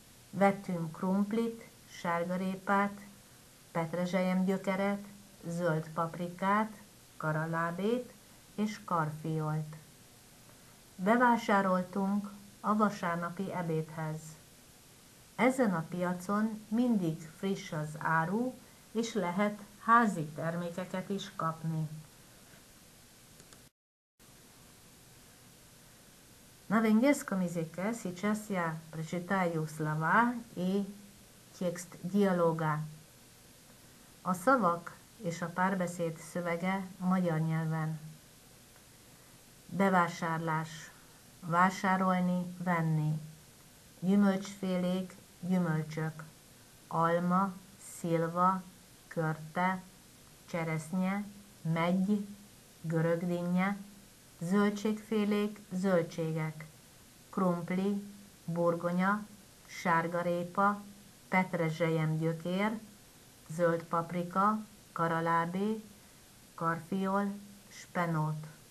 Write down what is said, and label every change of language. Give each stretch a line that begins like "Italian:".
Hungarian: Vettünk krumplit, sárgarépát, petrezselyem gyökeret, zöld paprikát, karalábét és karfiolt. Bevásároltunk a vasárnapi ebédhez. Ezen a piacon mindig friss az áru, és lehet házi termékeket is kapni.
Russian: На венгерском языке сейчас я прочитаю слова и текст диалога.
Hungarian: A szavak és a párbeszéd szövege magyar nyelven. Bevásárlás. Vásárolni, venni. Gyümölcsfélék, gyümölcsök. Alma, szilva, körte, cseresznye, meggy, görögdinnye, zöldségfélék, zöldségek, krumpli, burgonya, sárgarépa, petrezselyem gyökér, zöld paprika, karalábé, karfiol, spenót.